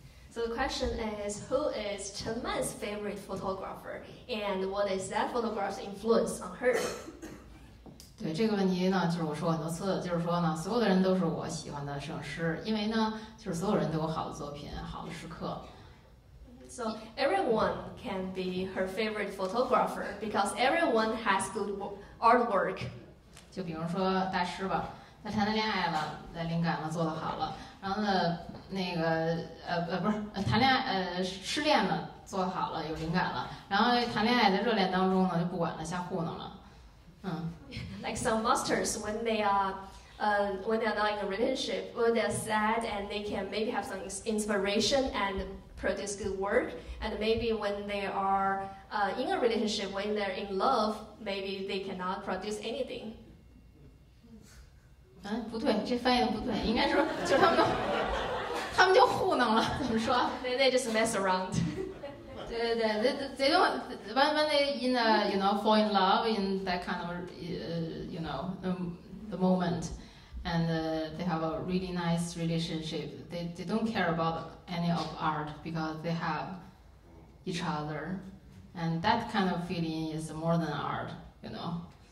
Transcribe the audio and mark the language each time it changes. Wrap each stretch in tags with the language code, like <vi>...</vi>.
<en>So the question is, who is Chen Man's favorite photographer, and what is that photograph's influence on her?</en> <zh>对这个问题呢，就是我说很多次，就是说呢，所有的人都是我喜欢的摄影师，因为呢，就是所有人都有好的作品，好的时刻。</zh> <en>So everyone can be her favorite photographer because everyone has good artwork.</en> <zh>就比如说大师吧，他谈的恋爱了，那灵感了，做的好了，然后呢，那个不是谈恋爱失恋了，做好了，有灵感了，然后谈恋爱的热恋当中呢，就不管了，瞎糊弄了。</zh> <en>Like some masters, when they are not in a relationship, when they are sad and they can maybe have some inspiration and produce good work, and maybe when they are in a relationship, when they're in love, maybe they cannot produce anything.</en> <zh>不对，这翻译的不对，应该说就是他们就糊弄了，怎么说</zh> <en>？They just mess around. 对，they don't when they in a you know fall in love in that kind of you know the moment, and they have a really nice relationship. They don't care about any of art because they have each other, and that kind of feeling is more than art, you know.</en>